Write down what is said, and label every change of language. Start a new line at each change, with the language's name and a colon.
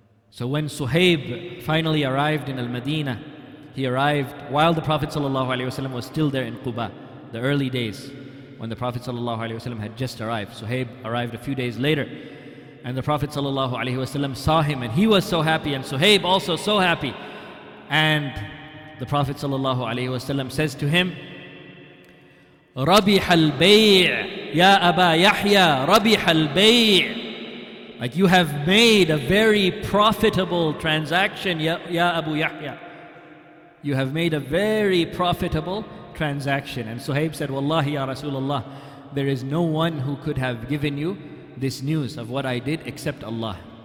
English: So when Suhaib finally arrived in Al-Madinah, he arrived while the Prophet ﷺ was still there in Quba, the early days when the Prophet ﷺ had just arrived. Suhaib arrived a few days later, and the Prophet ﷺ saw him, and he was so happy, and Suhaib also so happy. And the Prophet ﷺ says to him,
Arabic: رَبِحَ الْبَيْعِ يَا أَبَا يَحْيَى رَبِحَ الْبَيْعِ.
English: Like, you have made a very profitable transaction, ya Abu Yahya. You have made a very profitable transaction. And Suhaib said, wallahi ya Rasulullah, there is no one who could have given you this news of what I did except Allah.